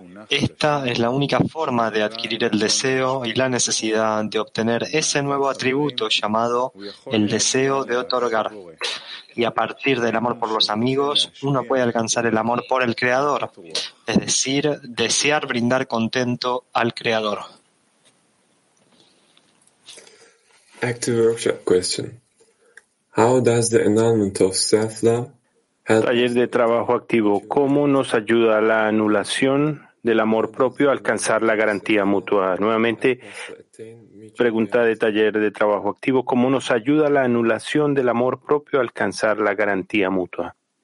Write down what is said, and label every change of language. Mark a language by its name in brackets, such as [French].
[Spanish] Esta es la única forma de adquirir el deseo y la necesidad de obtener ese nuevo atributo llamado el deseo de otorgar. Y a partir del amor por los amigos, uno puede alcanzar el amor por el Creador, es decir, desear brindar contento al Creador. [English] Active workshop question. How does the annulment of self-love? [Spanish] Taller de trabajo activo. ¿Cómo nos ayuda la anulación del amor propio a alcanzar la garantía mutua? Nuevamente, pregunta de taller de trabajo activo. ¿Cómo nos ayuda la anulación del amor propio a alcanzar la garantía mutua?